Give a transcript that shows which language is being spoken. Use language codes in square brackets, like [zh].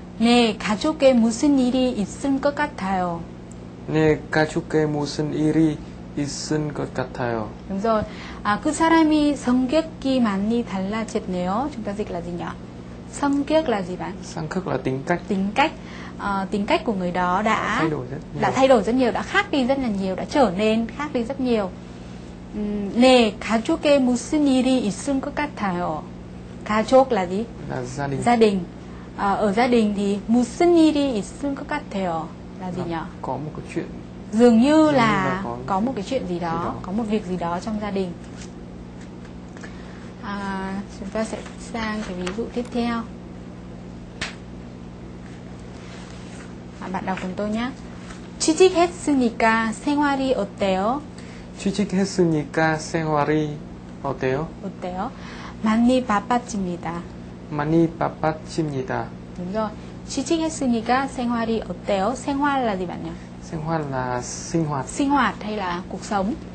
[ko] 네, 가족에 무슨 일이 있을 것 같아요. 네, 가족에 무슨 일이 있을 것 같아요. [vi] Đúng rồi. [ko] 그 사람이 성격이 많이 달라졌네요. [vi] Chúng ta dịch là gì nhỉ? 성격 là gì bạn? 성격 là tính cách. Tính cách. Tính cách của người đó đã thay đổi rất nhiều. Đã thay đổi rất nhiều, đã khác đi rất là nhiều, đã trở nên khác đi rất nhiều. [ko] 네, 가족에 무슨 일이 있을 것 같아요. [vi] 가족 là gì? Là gia đình. Gia đình. Ở gia đình thì [ko] 무슨 일이 있을 것 같아요 [vi] là gì nhỉ? Có một cái chuyện. Dường như là có một cái chuyện gì đó, có một việc gì đó trong gia đình. Chúng ta sẽ sang cái ví dụ tiếp theo. Bạn đọc cùng tôi nhé. [ko] 취직했으니까 생활이 어때요? 취직했으니까 생활이 어때요? 어때요? 많이 바빴습니다. 많이 바빴습니다. 그죠? 취직했으니까 생활이 어때요? [vi] 생활 là gì bạn nhỉ? 생활 là sinh hoạt. Sinh hoạt hay là cuộc sống?